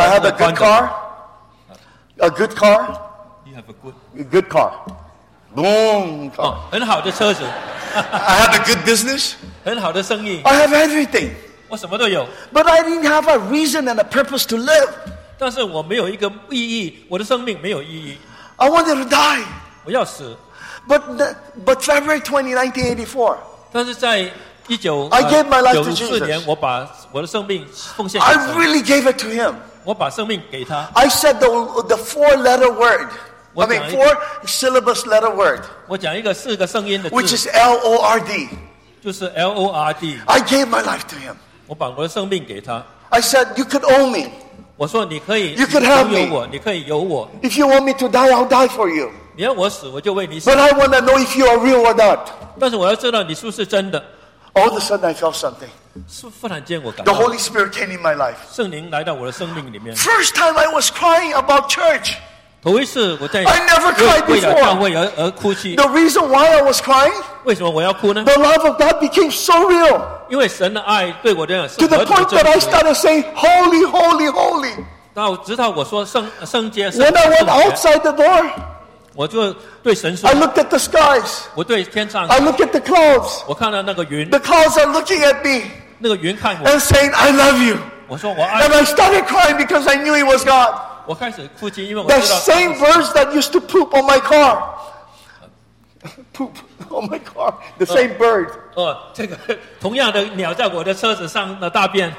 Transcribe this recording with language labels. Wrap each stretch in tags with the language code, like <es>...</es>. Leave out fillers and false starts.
<en>I had a good car. A good car. You have a good car. A good car. Boom.</en> <zh>很好的车子</zh> <en>I had a good business.</en> <zh>很好的生意</zh> <en>I have everything.</en> <zh>我什么都有</zh> <en>But I didn't have a reason and a purpose to live.</en> <zh>但是我没有一个意义，我的生命没有意义。</zh> <en>I wanted to die.</en> <zh>我要死。</zh> <en>But February 20, 1984.</en> <zh>但是在</zh> <en>I gave my life to Jesus.</en> <zh>94年，我把我的生命奉献。</zh> <en>I really gave it to Him.</en> <zh>我把生命给他。</zh> <en>I said the four letter word. I mean four syllables letter word.</en> <zh>我讲一个四个声音的字。</zh> <en>Which is L O R D.</en> <zh>就是 L O R D.</zh> <en>I gave my life to Him.</en> <zh>我把我的生命给他。</zh> <en>I said you could own me.</en> <zh>我说你可以。</zh> <en>You could have me.</en> <zh>你可以有我。</zh> <en>If you want me to die, I'll die for you.</en> <zh>你要我死，我就为你死。</zh> <en>But I want to know if you are real or not.</en> <zh>但是我要知道你是不是真的。</zh> <en>All of a sudden, I felt something.</en> <zh>是忽然间我感到。</zh> <en>The Holy Spirit came in my life.</en> <zh>圣灵来到我的生命里面。</zh> <en>First time I was crying about church.</en> <zh>头一次我在。</zh> <en>I never cried before.</en> <zh>为了教会而哭泣。</zh> <en>The reason why I was crying.</en> <zh>为什么我要哭呢</zh> <en>？The love of God became so real.</en> <zh>因为神的爱对我这样</zh> <en>，To the point that I started saying holy, holy, holy.</en> <zh>到直到我说圣洁。</zh> <en>When I went outside the door,</en> <zh>我就对神说。</zh> <en>I looked at the skies.</en> <zh>我对天上。</zh> <en>I looked at the clouds.</en> <zh>我看到那个云。</zh> <en>The clouds are looking at me.</en> <zh>那个云看我。</zh> <en>And saying I love you.</en> <zh>我说我爱你。</zh> <en>And I started crying because I knew it was God.</en> <zh>我开始哭泣，因为我知道。</zh> <en>That same verse that used to poop on my car. Poop. Oh my God, the same bird.</en> <zh>这个同样的鸟在我的车子上的大便。</zh>